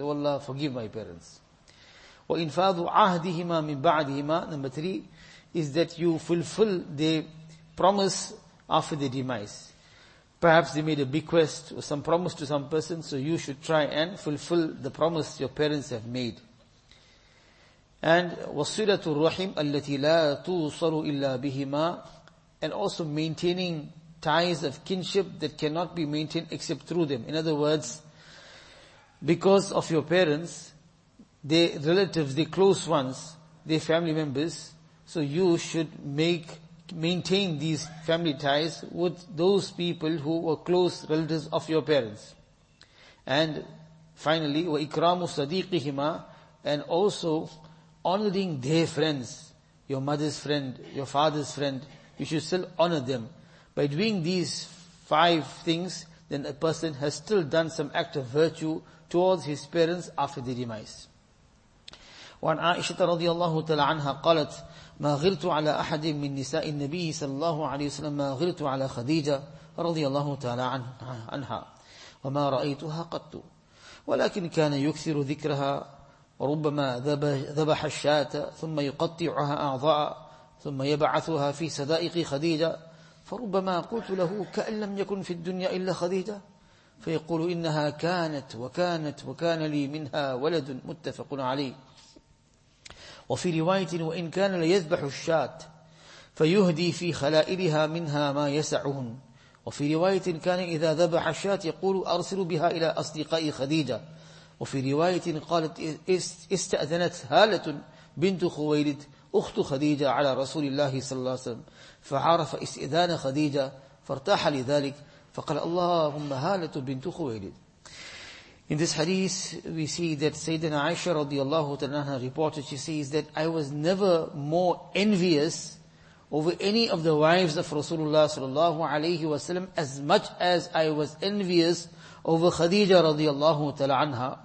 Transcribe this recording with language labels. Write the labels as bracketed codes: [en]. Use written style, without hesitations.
[en] Oh Allah, forgive my parents. [ar] Wa infadhu ahdihima min ba'dihima. [en] Number three, is that you fulfill the promise after the demise. Perhaps they made a bequest or some promise to some person, so you should try and fulfill the promise your parents have made. [ar] And وَصِلَةُ الرَّحِمْ أَلَّتِي لَا تُوصَلُ إِلَّا بِهِمَا. [en] And also maintaining ties of kinship that cannot be maintained except through them. In other words, because of your parents, their relatives, their close ones, their family members, so you should maintain these family ties with those people who were close relatives of your parents. And finally, [ar] وَإِكْرَامُ صَدِيقِهِمَا. [en] And also honoring their friends, your mother's friend, your father's friend, you should still honor them. By doing these five things, then a person has still done some act of virtue towards his parents after their demise. [ar] وعن عائشة رضي الله تعالى عنها قالت ما غرت على أحد من نساء النبي صلى الله عليه وسلم ما غرت على خديجة رضي الله تعالى عنها وما رأيتها قط ولكن كان يكثر ذكرها ربما ذبح الشاة ثم يقطعها أعضاء ثم يبعثها في صدائق خديجة فربما قلت له كأن لم يكن في الدنيا إلا خديجة فيقول إنها كانت وكانت وكان لي منها ولد متفق عليه وفي رواية وإن كان ليذبح الشاة فيهدي في خلائلها منها ما يسعهن وفي رواية كان إذا ذبح الشاة يقول أرسل بها إلى أصدقاء خديجة وفي رواية قالت استأذنت هالة بنت خويلد أخت خديجة على رسول الله صلى الله عليه وسلم فعرف استئذان خديجة فارتاح لذلك فقال اللهم هالة بنت خويلد. [en] In this hadith, we see that Sayyidina Aisha radiallahu ta'ala reported, she says that I was never more envious over any of the wives of Rasulullah sallallahu alayhi wa sallam as much as I was envious over Khadija radiallahu ta'ala anha.